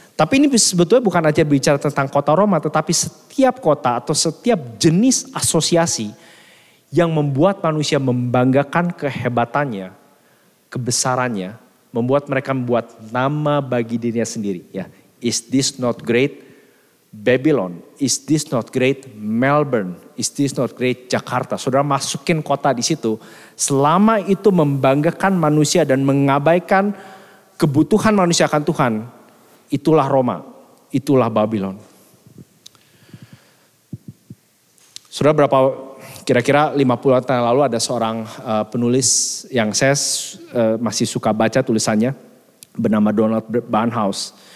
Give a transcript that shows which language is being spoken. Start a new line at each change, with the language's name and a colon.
Indonesian: Tapi ini sebetulnya bukan aja bicara tentang kota Roma, tetapi setiap kota atau setiap jenis asosiasi yang membuat manusia membanggakan kehebatannya, kebesarannya, membuat mereka membuat nama bagi dirinya sendiri.
English: Ya. Is this not great Babylon? Is this not great Melbourne? Is this not great Jakarta?
Indonesian: Saudara masukin kota di situ. Selama itu membanggakan manusia dan mengabaikan kebutuhan manusia akan Tuhan, itulah Roma, itulah Babylon. Saudara berapa, kira-kira 50 tahun lalu ada seorang penulis yang saya masih suka baca tulisannya, bernama Donald Barnhouse.